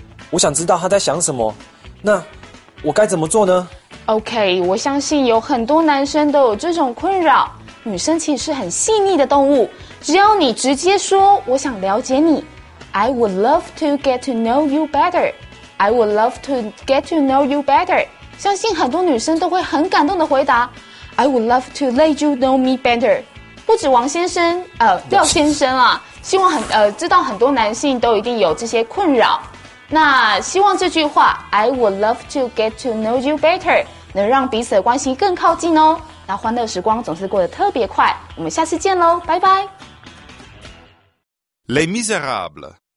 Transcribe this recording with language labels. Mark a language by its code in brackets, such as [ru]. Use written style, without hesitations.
[zh] 我想知道她在想什么，那我该怎么做呢？OK， 我相信有很多男生都有这种困扰。女生其实是很细腻的动物，只要你直接说我想了解你 ， [en] I would love to get to know you better. I would love to get to know you better. [zh] 相信很多女生都会很感动的回答 ， [en] I would love to let you know me better. [zh] 不止王先生，廖先生啊，希望知道很多男性都一定有这些困扰。那希望这句话 ， [en] I would love to get to know you better， [zh] 能让彼此的关系更靠近哦。那欢乐时光总是过得特别快，我们下次见喽，拜拜。 [fr] Les Misérables。